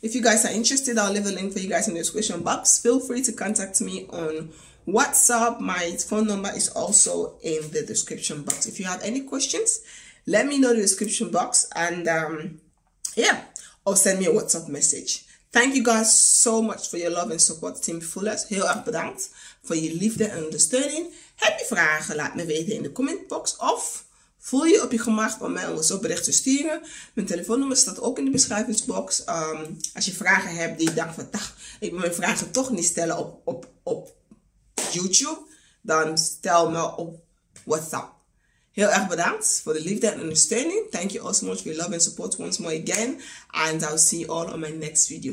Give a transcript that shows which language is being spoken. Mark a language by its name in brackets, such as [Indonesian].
[English] If you guys are interested, I'll leave a link for you guys in the description box. Feel free to contact me on WhatsApp. My phone number is also in the description box. If you have any questions, let me know in the description box and yeah, or send me a WhatsApp message. Thank you guys so much for your love and support, Team Fullest. [Dutch] Heel erg bedankt voor je liefde en ondersteuning. Heb je vragen? Laat me weten in de commentbox. Of voel je op je gemak om mij een bericht te sturen? Mijn telefoonnummer staat ook in de beschrijvingsbox. Als je vragen hebt die je denkt van, dag, ik wil mijn vragen toch niet stellen op YouTube, dan stel me op WhatsApp. Heel erg bedankt voor de liefde en ondersteuning. [English] Thank you all so much for your love and support once more again. And I'll see you all on my next video.